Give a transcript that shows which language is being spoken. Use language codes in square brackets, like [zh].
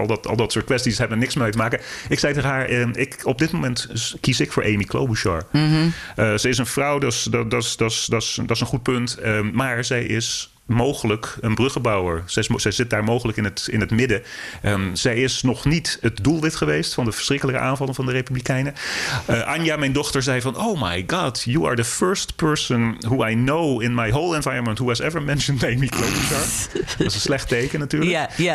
[nl] Al dat soort kwesties hebben niks mee te maken. Ik zei tegen haar, op dit moment kies ik voor Amy Klobuchar. Mm-hmm. Ze is een vrouw, dat is een goed punt. Maar zij is mogelijk een bruggenbouwer. Zij zit daar mogelijk in het midden. Zij is nog niet het doelwit geweest van de verschrikkelijke aanvallen van de Republikeinen. [en] Anja, [nl] mijn dochter, zei van, [en] oh my god, you are the first person who I know in my whole environment who has ever mentioned Amy Klobuchar. [nl] Dat is een slecht teken natuurlijk.